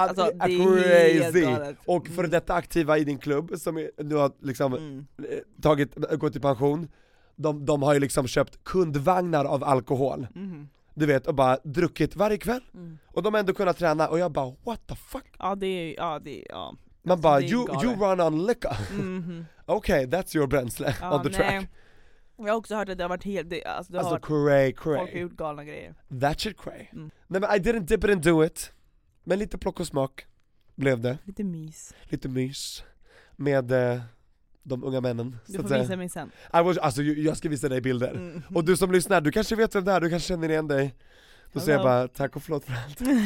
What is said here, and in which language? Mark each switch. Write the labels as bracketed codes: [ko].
[sv] Alltså, det är [en] crazy. [sv] Helt galet. Och för detta aktiva i din klubb som nu har liksom tagit, gått i pension. De har ju liksom köpt kundvagnar av alkohol. Du vet, och bara druckit varje kväll. Och de har ändå kunnat träna. Och jag bara, [en] what the fuck? [sv] Ja, det är ju, ja, det är, ja. Man bara, [en] you run on liquor. Okej, okay, that's your bränsle on the track. [sv] Jag har också hört att det har varit helt... Det, alltså, det har [en] cray, cray. [sv] Folk har gjort galna grejer. [en] That shit cray. [sv] Nej, men [en] I didn't dip it and do it. [sv] Men lite plock och smak blev det. Lite mys. Lite mys. Med de unga männen. Du får visa mig sen. Alltså, jag ska visa dig bilder. Och du som lyssnar, du kanske vet vem det är. Du kanske känner igen dig. Då säger jag bara, tack och förlåt för allt.